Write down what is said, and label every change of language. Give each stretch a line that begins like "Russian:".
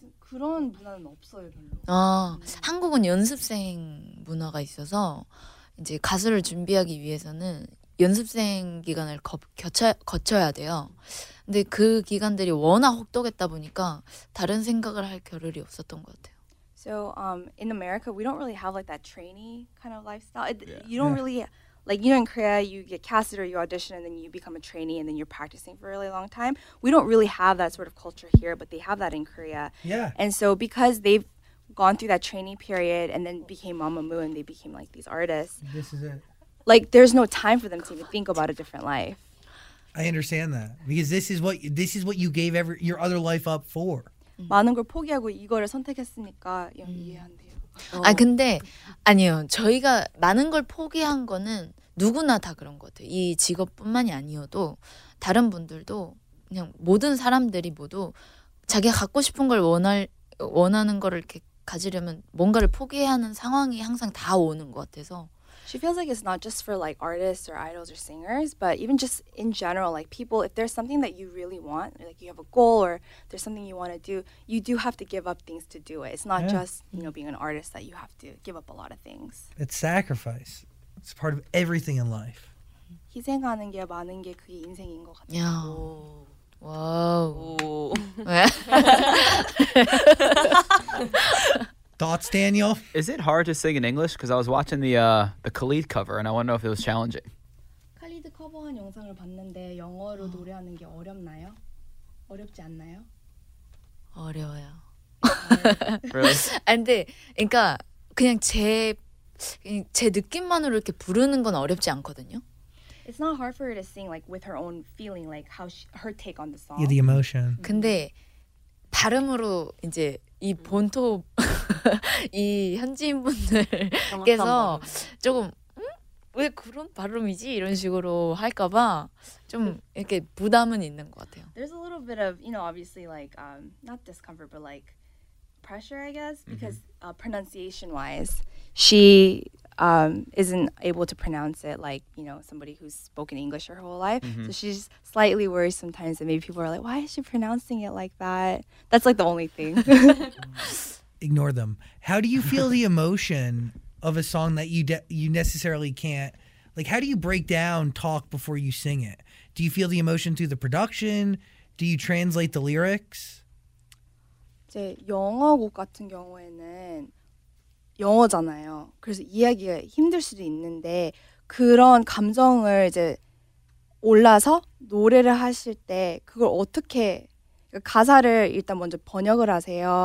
Korean: 그런 문화는 없어요, 별로. 한국은 연습생 문화가 있어서 이제 가수를 준비하기 위해서는 연습생 기간을 거쳐야 돼요. 근데 그 기간들이 워낙 혹독했다 보니까 다른 생각을 할 겨를이 없었던 것 같아요.
English: So in America, we don't really have like that trainee kind of lifestyle. You don't really like, you know, in Korea, you get casted or you audition and then you become a trainee and then you're practicing for a really long time. We don't really have that sort of culture here, but they have that in Korea. Yeah. And so because they've gone through that training period and then became Mamamoo and they became like these artists. This is it. Like, there's no time for them to even think about a different life. I understand that. Because this is what you gave your other life up for. Mm-hmm.
Korean: 많은 걸 포기하고 이거를 선택했으니까 이해한대요. 아 근데 아니요 저희가 많은 걸 포기한 거는 누구나 다 그런 것 같아요. 이 직업뿐만이 아니어도 다른 분들도 그냥 모든 사람들이 모두 자기가 갖고 싶은 걸 원하는 거를 이렇게 가지려면 뭔가를 포기하는 상황이 항상 다 오는 것 같아서
English: She feels like it's not just for like artists or idols or singers, but even just in general, like people, if there's something that you really want, like you have a goal or there's something you want to do, you do have to give up things to do it. It's not just, you know, being an artist that you have to give up a lot of things. It's sacrifice. It's part of everything in life.
Korean: 희생하는 게 많은 게 그게 인생인 것 같아요.
English: Whoa. Thoughts, Daniel? Is it hard to sing in English? Because I was watching the Khalid cover and I want to know if it was challenging.
Korean: Khalid 커버한 영상을 봤는데 영어로 노래하는 게 어렵나요? 어렵지 않나요? 어려워요. 그래? 안 돼. 그러니까 그냥 제 느낌만으로 이렇게 부르는 건 어렵지 않거든요.
English: It's not hard for her to sing like with her own feeling, like how she, her take on the song. Yeah, the emotion. Mm-hmm.
Korean: 근데 발음으로 이제 이 본토 이 현지인분들께서 조금 왜 그런 발음이지 이런 식으로 할까봐 좀 이렇게 부담은 있는 것 같아요.
English: There's a little bit of, you know, obviously like not discomfort, but like pressure, I guess, because pronunciation-wise, she. Isn't able to pronounce it like, you know, somebody who's spoken English her whole life. Mm-hmm. So she's slightly worried sometimes that maybe people are like, why is she pronouncing it like that? That's like the only thing. Ignore them. How do you feel the emotion of a song that you necessarily can't, like, how do you break down talk before you sing it? Do you feel the emotion through the production? Do you translate the lyrics?
Korean: 제 영어 곡 같은 경우에는 영어잖아요. 그래서 이해하기가 힘들 수도 있는데 그런 감정을 이제 올라서 노래를 하실 때 그걸 어떻게 가사를 일단 먼저 번역을 하세요?